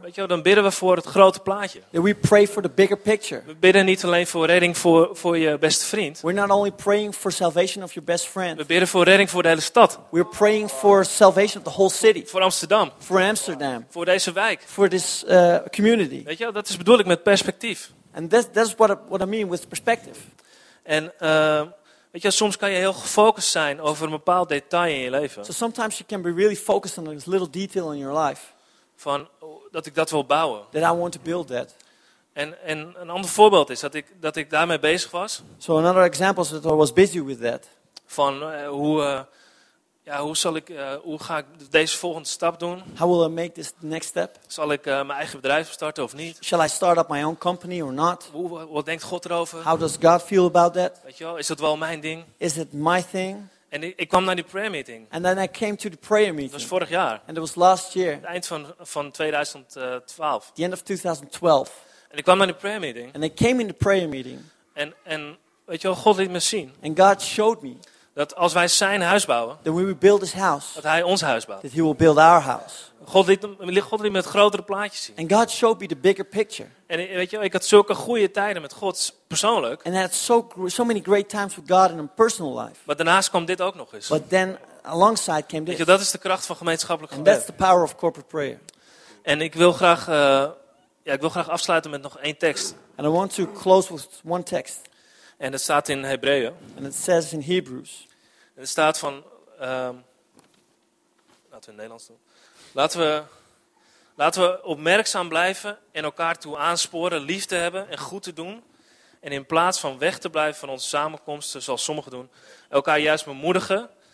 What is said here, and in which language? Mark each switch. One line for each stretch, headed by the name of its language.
Dutch: Weet je, dan bidden we voor het grote plaatje.
English: Then we pray for the bigger picture.
Dutch: We bidden niet alleen voor redding voor je beste vriend.
English: We're not only praying for salvation of your best friend.
Dutch: We bidden voor redding voor de hele stad.
English: We're praying for salvation of the whole city.
Dutch: Voor Amsterdam.
English: For Amsterdam.
Dutch: Voor deze wijk.
English: For this community.
Dutch: Weet je, dat is bedoel ik met perspectief.
English: And that's what I mean with perspective.
Dutch: En weet je, soms kan je heel gefocust zijn over een bepaald detail in je leven.
English: So sometimes you can be really focused on this little detail in your life.
Dutch: Van dat ik dat wil bouwen.
English: That I want to build that.
Dutch: En een ander voorbeeld is dat ik daarmee bezig was.
English: So another example is that I was busy with that.
Dutch: Van hoe ga ik deze volgende stap doen?
English: How will I make this next step?
Dutch: Zal ik mijn eigen bedrijf starten of niet?
English: Shall I start up my own company or not?
Dutch: Wat denkt God erover?
English: How does God feel about that?
Dutch: Weet je wel, is dat wel mijn ding?
English: Is it my thing?
Dutch: En ik kwam naar die prayer meeting.
English: And then I came to the prayer meeting.
Dutch: Dat was vorig jaar.
English: And it was last year.
Dutch: Het eind van 2012.
English: The end of 2012.
Dutch: En ik kwam naar die prayer meeting.
English: And I came in the prayer meeting.
Dutch: En weet je wel, God liet me zien.
English: And God showed me.
Dutch: Dat als wij zijn huis bouwen,
English: then we will build his house,
Dutch: dat hij ons huis bouwt.
English: That he will build our house.
Dutch: God liet me het grotere plaatje zien.
English: And God showed me the bigger picture.
Dutch: En weet je, ik had zulke goede tijden met God persoonlijk.
English: And I had so many great times with God in a personal life.
Dutch: Maar daarnaast kwam dit ook nog eens.
English: But then alongside came this.
Dutch: Weet je, dat is de kracht van gemeenschappelijk gebed.
English: And that's the power of corporate prayer.
Dutch: En ik wil graag afsluiten met nog één tekst.
English: And I want to close with one text.
Dutch: En het staat in Hebreeën.
English: And it says in Hebrews.
Dutch: En het staat van laten we in Nederlands doen. Laten we opmerkzaam blijven en elkaar toe aansporen lief te hebben en goed te doen. En in plaats van weg te blijven van onze samenkomsten, zoals sommigen doen, elkaar juist bemoedigen.